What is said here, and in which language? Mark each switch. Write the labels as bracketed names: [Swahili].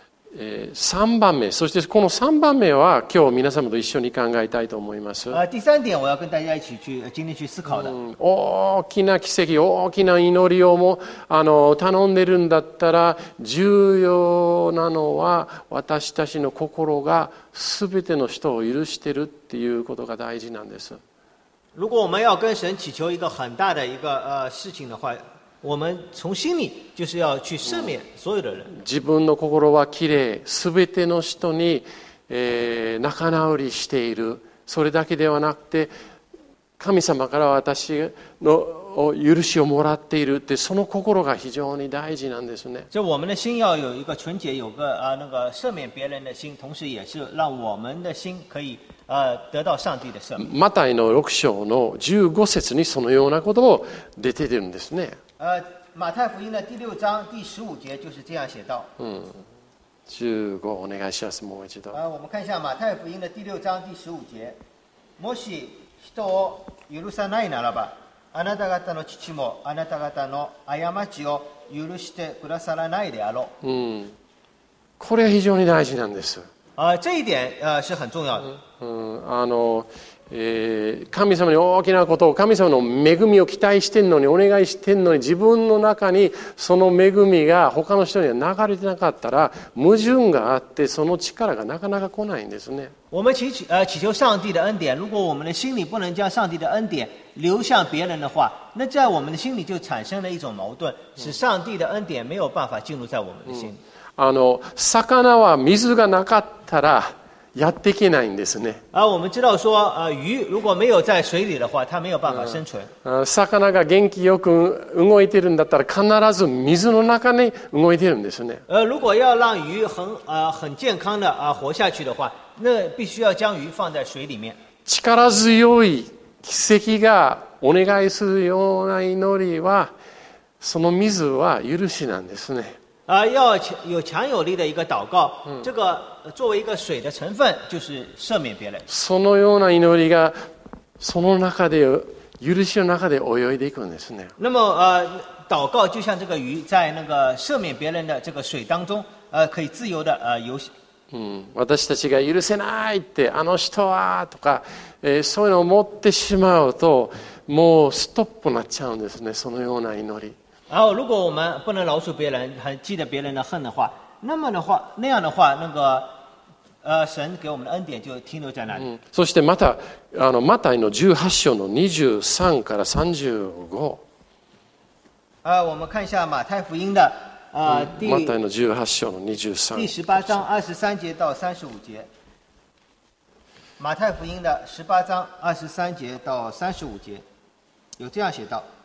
[Japanese] 3番目、そしてこの3番目は今日皆様と一緒に考えたいと思います。 [Chinese] 第三点我要跟大家一起去今天去思考的。 [Japanese] 大きな奇跡、大きな祈りをも頼んでるんだったら重要なのは私たちの心が全ての人を許してるっていうことが大事なんです。 [Chinese] 如果我们要跟神祈求一个很大的一个事情的话，我们从心里就是要去赦免所有的人。 [Japanese] 自分の心はきれい、すべての人に、仲直りしている。それだけではなくて、神様から私の許しをもらっているって、その心が非常に大事なんですね。 [Chinese] 就我们的心要有一个纯洁，有个那个赦免别人的心，同时也是让我们的心可以得到上帝的赦免。 [Japanese] マタイの6章の15節にそのようなことを出てるんですね。 [Chinese] 马太福音的第六章第十五节就是这样写道。 [Japanese] 十五お願いします。もう一度 [Chinese] 啊我们看一下马太福音的第六章第十五节， [Japanese] もし人を許さないならば、あなた方の父もあなた方の過ちを許してくださらないであろう。うん、これは非常に大事なんです。 [Chinese] 啊，这一点啊是很重要的。 [Japanese] うん、あの、神様に大きなことを、神様の恵みを期待してんのに、お願いしてんのに、自分の中にその恵みが他の人には流れてなかったら、矛盾があってその力がなかなか来ないんですね。 [Chinese] 我们祈求上帝的恩典，如果我们的心里不能将上帝的恩典流向别人的话，那在我们的心里就产生了一种矛盾，使上帝的恩典没有办法进入在我们的心里。 [Japanese] あの魚は水がなかったらやっていけないんですね。 [Chinese] あ、我们知道说啊，鱼如果没有在水里的话，它没有办法生存。 [Japanese] 魚が元気よく動いてるんだったら、必ず水の中に動いてるんですね。 [Chinese] 如果要让鱼很健康的啊活下去的话，那必须要将鱼放在水里面。 [Japanese] 力強い奇跡がお願いするような祈りは、その水は許しなんですね。 [Chinese] 要有强有力的一个祷告，这个作为一个水的成分，就是赦免别人。 [Japanese] そのような祈りがその中で許しの中で泳いでいくんですね。 [Chinese] 那么祷告就像这个鱼在那个赦免别人的这个水当中，可以自由的游行。 [Japanese] 私たちが許せないってあの人はとか、そういうのを持ってしまうと、もうストップになっちゃうんですね。そのような祈り。 [Chinese] 然后，如果我们不能饶恕别人，还记得别人的恨的话，那么的话，那样的话，那个，神给我们的恩典就停留在那里。 [Japanese] そしてまた、マタイの18章の23から35。 [Chinese] 我们看一下马太福音的， [Japanese] 马太の18章の23。 [Chinese] 第十八章二十三节到三十五节。马太福音的十八章二十三节到三十五节，有这样写道。